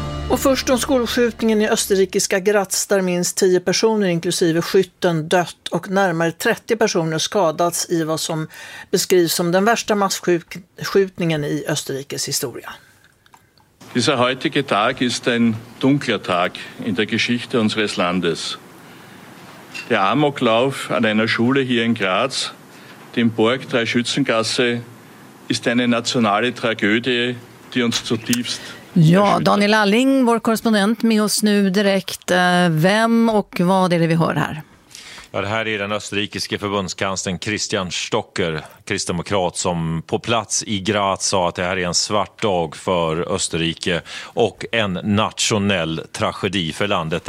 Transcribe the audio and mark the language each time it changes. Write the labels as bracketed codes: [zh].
[sv] Och först om skolskjutningen i österrikiska Graz där minst 10 personer inklusive skytten dött och närmare 30 personer skadats i vad som beskrivs som den värsta massskjutningen i Österrikes historia. [de] Dieser heutige Tag ist ein dunkler Tag in der Geschichte unseres Landes. Der Amoklauf an einer Schule hier in Graz, dem Burg Dreischützengasse, ist eine nationale Tragödie, die uns zutiefst. [sv] Ja, Daniel Alling, vår korrespondent, med oss nu direkt. Vem och vad är det vi hör här? Ja, Ja, det här är den österrikiske förbundskanslern Christian Stocker, kristdemokrat, som på plats i Graz sa att det här är en svart dag för Österrike och en nationell tragedi för landet.